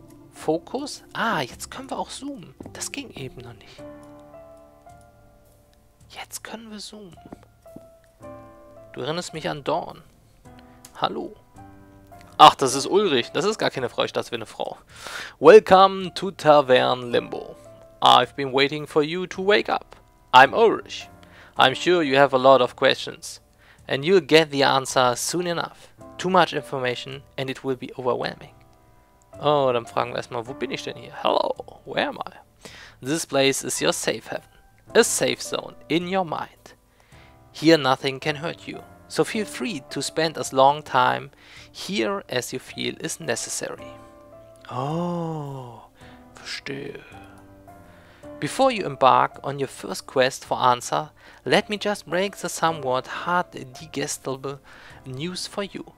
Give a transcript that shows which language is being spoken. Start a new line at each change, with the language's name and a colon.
German: Fokus? Ah, jetzt können wir auch zoomen. Das ging eben noch nicht. Jetzt können wir zoomen. Du erinnerst mich an Dawn. Hallo. Ach, das ist Ulrich. Das ist gar keine Frau. Ich dachte, das wäre eine Frau.
English: Welcome to Tavern Limbo. I've been waiting for you to wake up. I'm Ulrich. I'm sure you have a lot of questions, and you'll get the answer soon enough. Too much information, and it will be overwhelming.
German: Oh, dann fragen wir erstmal, wo bin ich denn hier?
English: Hello, where am I? This place is your safe haven, a safe zone in your mind. Here nothing can hurt you, so feel free to spend as long time here as you feel is necessary.
German: Oh, verstehe.
English: Before you embark on your first quest for answer, let me just break the somewhat hard digestible news for you.